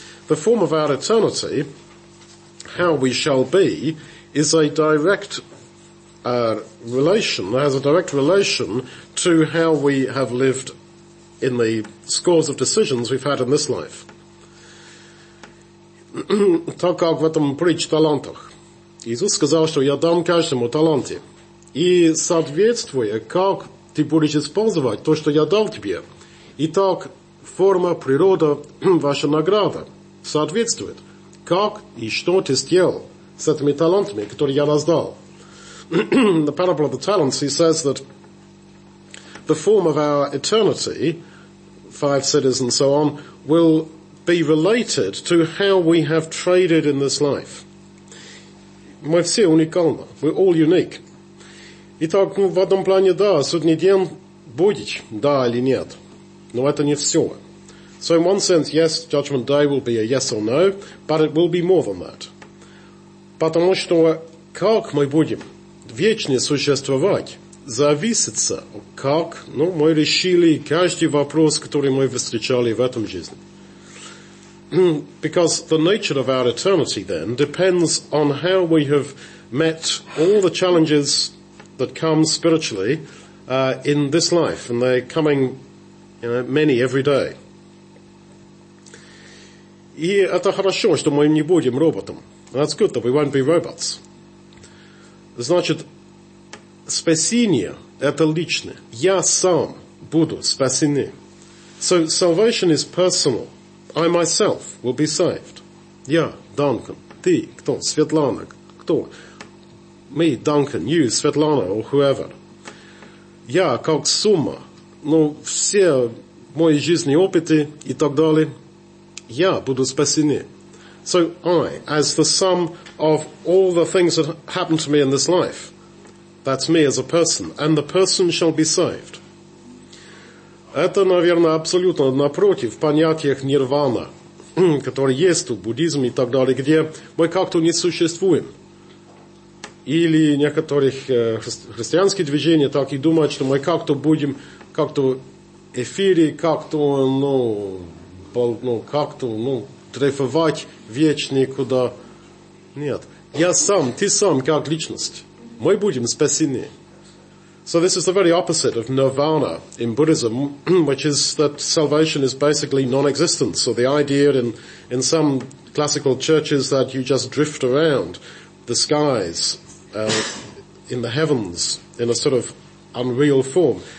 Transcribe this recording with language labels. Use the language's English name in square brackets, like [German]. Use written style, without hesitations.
[English] The form of our eternity, how we shall be, is a direct relation, has a direct relation to how we have lived in the scores of decisions we've had in this life. [Russian] так как в этом притче талантах. Иисус сказал, что я дам каждому таланты. И соответствуя, как ты будешь использовать то, что я дал тебе, итак, форма, природа, ваша награда соответствует, как и что ты сделал с этими талантами, которые я раздал. [English] The parable of the talents, he says that the form of our eternity, five cities and so on, will be related to how we have traded in this life. [Russian] Мы все уникальны. [English] We're all unique. [Russian] Итак, ну, в одном плане, да, сегодня день будет, да или нет. Но это не все. [English] So in one sense, yes, Judgment Day will be a yes or no, but it will be more than that. [Russian] Потому что как мы будем вечно существовать, зависит от как, ну, мы решили каждый вопрос, который мы встречали в этом жизни. [English] Because the nature of our eternity then depends on how we have met all the challenges that come spiritually in this life, and they're coming, you know, many every day. [Russian] И это хорошо, что мы не будем роботом. [English] That's good that we won't be robots. [Russian] Значит, спасение – это личное. Я сам буду спасены. [English] So, salvation is personal. I myself will be saved. [Russian] Я, Данкан. Ты, кто? Светлана, кто? [English] Me, [Russian] Данкан. [English] You, Светлана, or whoever. [Russian] Я, как сумма. Ну, все мои жизни, опыты и так далее – я буду спасены. [English] So I, as the sum of all the things that happened to me in this life, that's me as a person, and the person shall be saved. [Russian] Это, наверное, абсолютно напротив понятиях нирвана, которые есть у буддизма и так далее, где мы как-то не существуем. Или некоторых христианских движений так и думают, что мы как-то будем как-то эфире, как-то, ну... ну, как-то, ну, дрейфовать вечно куда. Нет. Я сам, ты сам, как личность. Мы будем спасены. [English] So this is the very opposite of nirvana in Buddhism, which is that salvation is basically non-existence. So the idea in some classical churches that you just drift around the skies, in the heavens, in a sort of unreal form.